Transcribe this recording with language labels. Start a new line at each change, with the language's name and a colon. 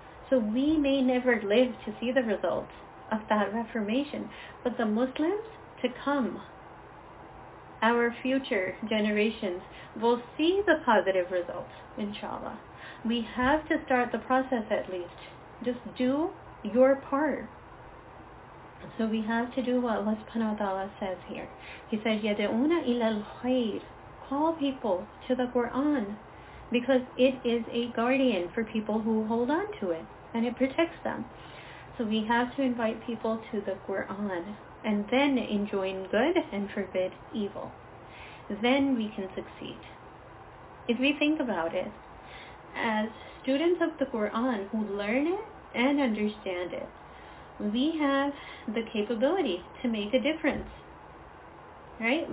English: So we may never live to see the results of that reformation, but the Muslims to come, our future generations, will see the positive results, inshallah. We have to start the process at least. Just do your part. So we have to do what Allah subhanahu wa ta'ala says here. He said,
Arabic: يَدْعُونَ إِلَى الْخَيْرِ.
English: Call people to the Quran, because it is a guardian for people who hold on to it, and it protects them. So we have to invite people to the Quran, and then enjoin good and forbid evil. Then we can succeed. If we think about it, as students of the Quran who learn it and understand it, we have the capability to make a difference. Right?